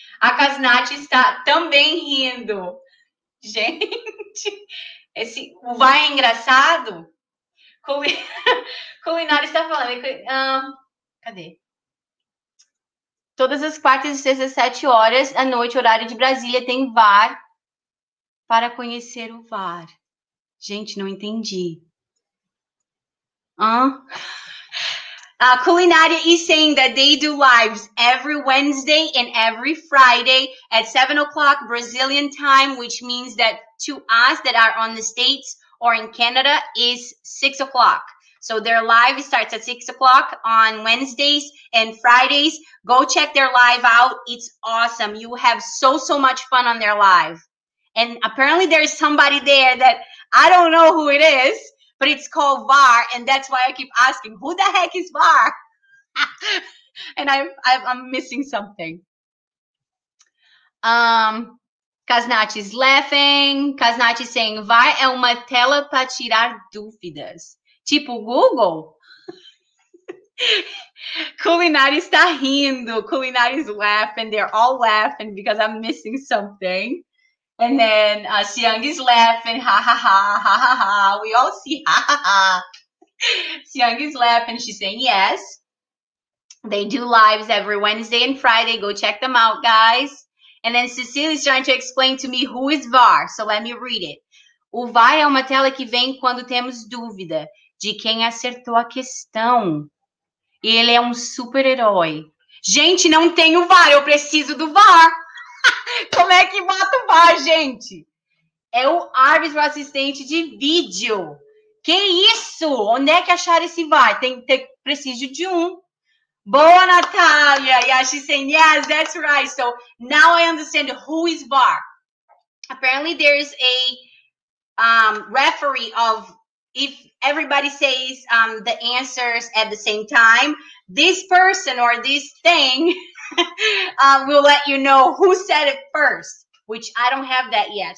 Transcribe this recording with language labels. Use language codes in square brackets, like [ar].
[pt] A Casnati está também rindo. Gente, esse o VAR é engraçado? Culinária está falando. Cadê? Todas as quartas e sextas, 7 horas à noite, horário de Brasília, tem VAR para conhecer o VAR. Gente, não entendi. [en] Culinária is saying that they do lives every Wednesday and every Friday at 7 o'clock Brazilian time, which means that to us that are on the States or in Canada is 6 o'clock. So their live starts at 6 o'clock on Wednesdays and Fridays. Go check their live out. It's awesome. You have so much fun on their live. And apparently there's somebody there that I don't know who it is, but it's called VAR, and that's why I keep asking, who the heck is VAR? And I'm missing something. Kasnachi is laughing. Kasnachi is saying, [pt] VAR é uma tela para tirar dúvidas. Tipo Google? Culinária está rindo. [en] Culinária is laughing. They're all laughing because I'm missing something. And then Siang is laughing, ha ha ha ha ha ha. We all see ha ha ha. Siang is laughing. She's saying yes. They do lives every Wednesday and Friday. Go check them out, guys. And then Cecília is trying to explain to me who is VAR. So let me read it. [pt] O VAR é uma tela que vem quando temos dúvida de quem acertou a questão. E ele é um super-herói. Gente, não tenho VAR. Eu preciso do VAR. Como é que bota o VAR, gente? É o árbitro assistente de vídeo. Que isso? Onde é que acharam esse VAR? Tem que ter preciso de um. Boa, Natália. [en] E yeah, she's saying, yes, that's right. So now I understand who is VAR. Apparently, there is a referee of if everybody says the answers at the same time, this person or this thing will let you know who said it first, which I don't have that yet.